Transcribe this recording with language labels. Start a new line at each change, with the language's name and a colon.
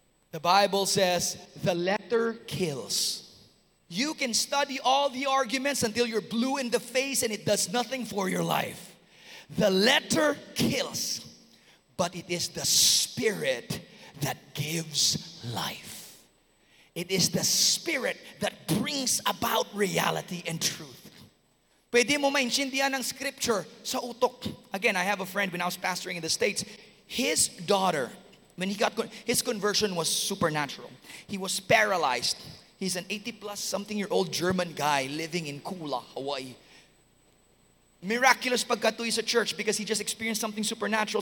English: The Bible says, the letter kills. You can study all the arguments until you're blue in the face and it does nothing for your life. The letter kills, but it is the Spirit that gives life. It is the Spirit that brings about reality and truth.
Hiligaynon: Pwede mo maintindihan ang scripture sa utok.
English: Again, I have a friend when I was pastoring in the States. His daughter, when he got his conversion was supernatural. He was paralyzed. He's an 80-plus something-year-old German guy living in Kula, Hawaii. Miraculous
Hiligaynon: pagkatuwi sa
English: church because he just experienced something supernatural.